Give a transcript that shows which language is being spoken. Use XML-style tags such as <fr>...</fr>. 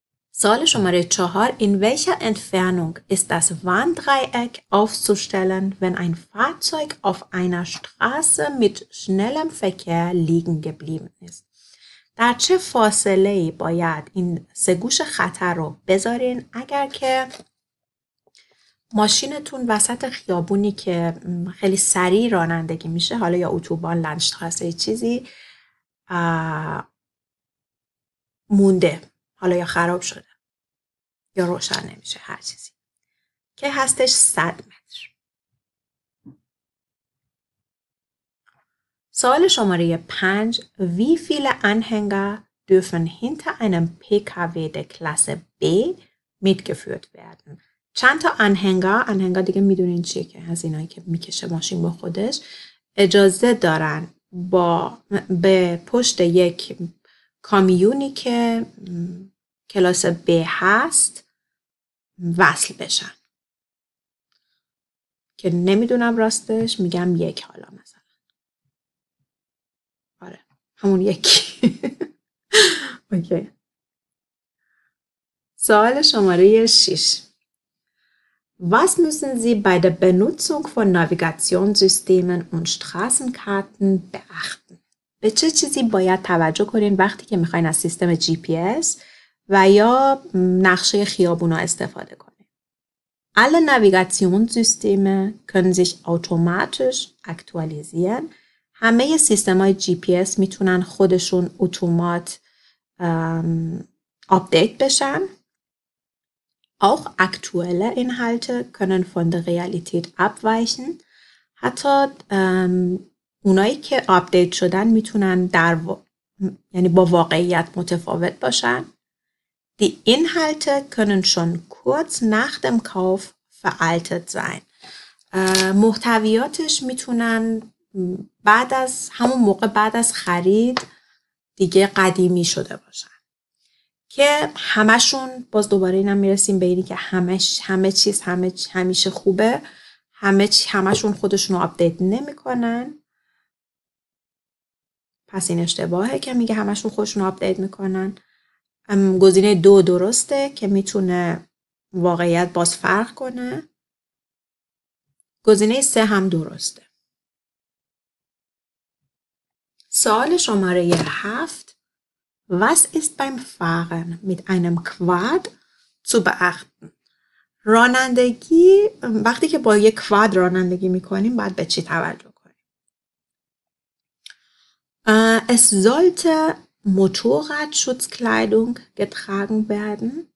<fa>سوال شماره 4:</fa> <de>In welcher Entfernung ist das Warndreieck aufzustellen, wenn ein Fahrzeug auf einer Straße mit schnellem Verkehr liegen geblieben ist?</de> <fa>در چه فاصله ای باید این سه گوش خطر رو بذارین اگر که ماشینتون وسط خیابونی که خیلی سریع رانندگی میشه، حالا یا اتوبان، لندشتراسه، چیزی مونده، حالا یا خراب شده یا روشن نمیشه، هر چیزی که هستش 100 متر. سوال شماره 5:</fa> <de>Wie viele Anhänger dürfen hinter einem PKW der Klasse B mitgeführt werden?</de> <fa>چند تا انهنگر دیگه میدونین چیه که از اینایی که میکشه ماشین با خودش، اجازه دارن با به پشت یک کامیونی که کلاس B هست وصل بشن، که نمیدونم راستش، میگم یک، حالا مثلا آره همون یکی. اوکی. سوال شماره 6:</fa> <de>Was müssen Sie bei der Benutzung von Navigationssystemen und Straßenkarten beachten?</de> <fa>به چه چیزی باید توجه کنین وقتی که میخواین از سیستم جی پی اس و یا نقشه خیابونا استفاده کنید.</fa> <de>Alle Navigationssysteme können sich automatisch aktualisieren.</de> <fa>همه سیستم های جی پی اس میتونن خودشون اتومات آپدیت بشن.</fa> <de>Auch aktuelle Inhalte können von der Realität abweichen.</de> <fa>حتی اونایی که آپدیت شدن میتونن در یعنی با واقعیت متفاوت باشن.</fa> <de>Die Inhalte können schon kurz nach dem Kauf veraltet sein.</de> <fa>محتویاتش میتونن بعد از همون موقع بعد از خرید دیگه قدیمی شده باشن. که همشون، باز دوباره اینم میرسیم به اینی که همیشه خوبه، همشون خودشون رو آپدیت نمیکنن. پس این اشتباهه که میگه همشون خودشون رو آپدیت میکنن. گزینه 2 درسته که میتونه واقعیت باز فرق کنه. گزینه 3 هم درسته. سوال شماره 7:</fa> <de>Was ist beim Fahren mit einem Quad zu beachten?</de> <fa>رانندگی وقتی که با یک کواد رانندگی میکنیم باید به چی توجه کنیم؟</fa> <de>Es sollte Motorradschutzkleidung getragen werden.</de>